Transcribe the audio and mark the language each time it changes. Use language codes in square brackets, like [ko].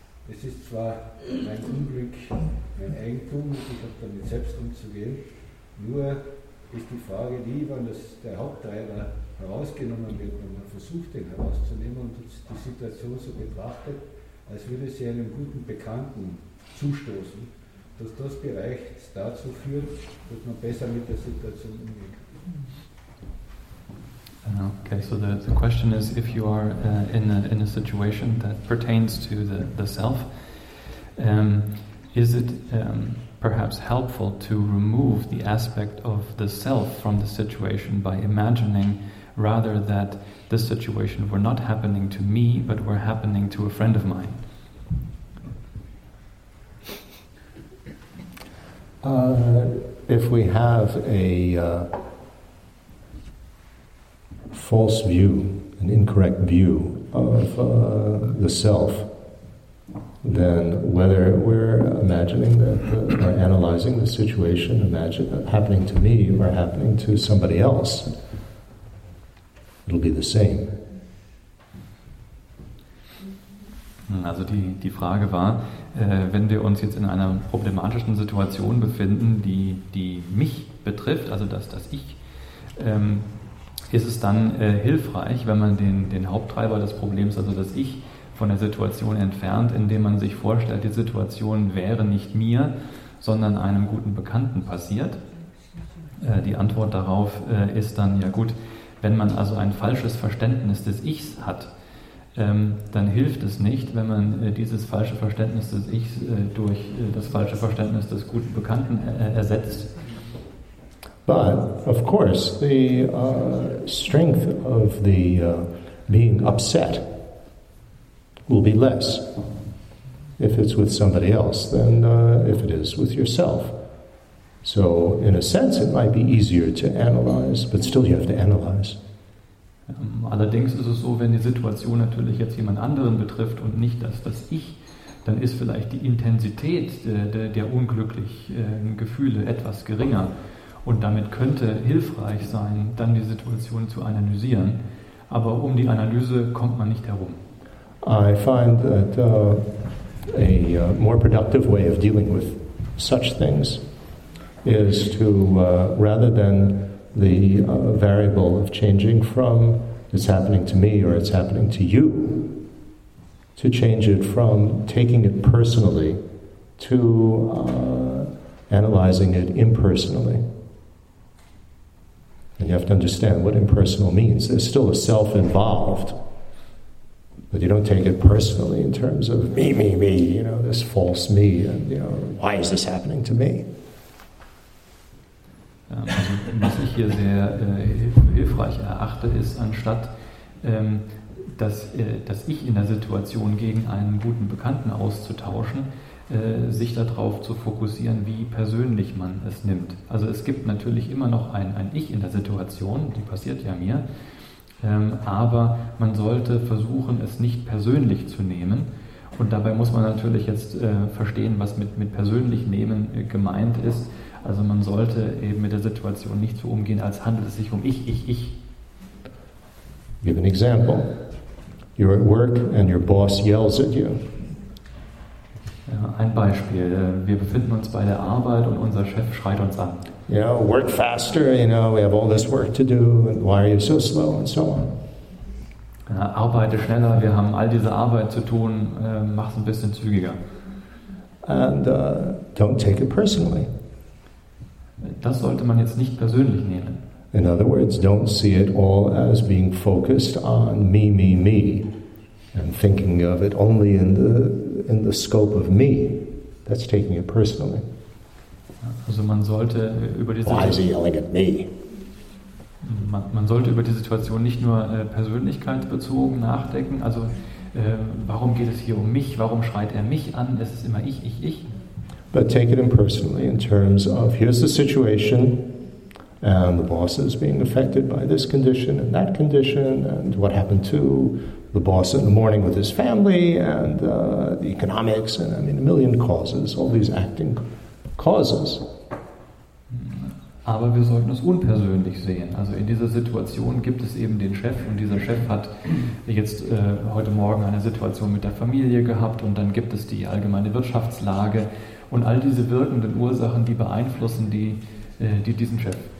[de] Es ist zwar mein Unglück, mein Eigentum, ich habe damit selbst umzugehen, nur ist die Frage die, wenn das der Haupttreiber herausgenommen wird, wenn man versucht, den herauszunehmen und die Situation so betrachtet, als würde sie einem guten Bekannten zustoßen, dass das bereits dazu führt, dass man besser mit der Situation umgehen kann. [en] Okay, so the question is, if you are in a situation that pertains to the self, is it perhaps helpful to remove the aspect of the self from the situation by imagining rather that this situation were not happening to me, but were happening to a friend of mine. If we have a false view, an incorrect view of the self, then whether we're imagining that or analyzing the situation, imagine that happening to me or happening to somebody else, it'll be the same. [de] Also die Frage war, wenn wir uns jetzt in einer problematischen Situation befinden, die mich betrifft, also das Ich, ist es dann hilfreich, wenn man den Haupttreiber des Problems, also das Ich, von der Situation entfernt, indem man sich vorstellt, die Situation wäre nicht mir, sondern einem guten Bekannten passiert? Die Antwort darauf ist dann, ja gut, wenn man also ein falsches Verständnis des Ichs hat, dann hilft es nicht, wenn man dieses falsche Verständnis des Ichs durch das falsche Verständnis des guten Bekannten ersetzt. [en] But, of course, the strength of the being upset will be less if it's with somebody else than if it is with yourself. So, in a sense, it might be easier to analyze, but still you have to analyze. [de] Allerdings ist es so, wenn die Situation natürlich jetzt jemand anderen betrifft und nicht das Ich, dann ist vielleicht die Intensität der unglücklichen Gefühle etwas geringer. Und damit könnte hilfreich sein, dann die Situation zu analysieren. Aber um die Analyse kommt man nicht herum. [en] I find that a more productive way of dealing with such things is to, rather than the variable of changing from it's happening to me or it's happening to you, to change it from taking it personally to analyzing it impersonally. And you have to understand what impersonal means. There's still a self involved, but you don't take it personally in terms of me, you know, this false me, and, you know, why is this happening to me? [de] Also, was ich hier sehr hilfreich erachte, ist, anstatt das Ich in der Situation gegen einen guten Bekannten auszutauschen, sich darauf zu fokussieren, wie persönlich man es nimmt. Also es gibt natürlich immer noch ein Ich in der Situation, die passiert ja mir, aber man sollte versuchen, es nicht persönlich zu nehmen. Und dabei muss man natürlich jetzt verstehen, was mit persönlich nehmen gemeint ist. Also man sollte eben mit der Situation nicht so umgehen, als handelt es sich um ich. [en] Give an example. You're at work and your boss yells at you. [de] Ein Beispiel. Wir befinden uns bei der Arbeit und unser Chef schreit uns an. [en] You know, work faster, you know, we have all this work to do, and why are you so slow, and so on. [de] Arbeite schneller, wir haben all diese Arbeit zu tun, mach's ein bisschen zügiger. [en] And don't take it personally. [de] Das sollte man jetzt nicht persönlich nehmen. [en] In other words, don't see it all as being focused on me, and thinking of it only in the scope of me. That's taking it personally. [de] Also man sollte über die [en] Situation, why is he yelling at me? [de] Man sollte über die Situation nicht nur persönlichkeitsbezogen nachdenken. Also warum geht es hier um mich? Warum schreit er mich an? Es ist immer ich. [en] But take it impersonally in terms of here's the situation and the boss is being affected by this condition and that condition and what happened to the boss in the morning with his family and the economics and, I mean, a million causes, all these acting causes. [de] Aber wir sollten es unpersönlich sehen. Also in dieser Situation gibt es eben den Chef und dieser Chef hat jetzt heute Morgen eine Situation mit der Familie gehabt und dann gibt es die allgemeine Wirtschaftslage. Und all diese wirkenden Ursachen, die beeinflussen die diesen Chef.